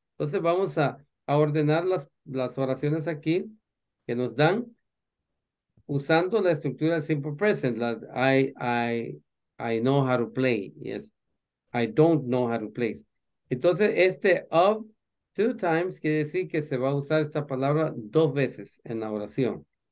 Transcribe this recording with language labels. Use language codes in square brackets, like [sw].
[es] Entonces vamos a ordenar las oraciones aquí que nos dan usando la estructura del simple present. [en] I know how to play. Yes. I don't know how to play. [es] Entonces este [en] of, [es] two times quiere decir que se va a usar esta palabra dos veces en la oración.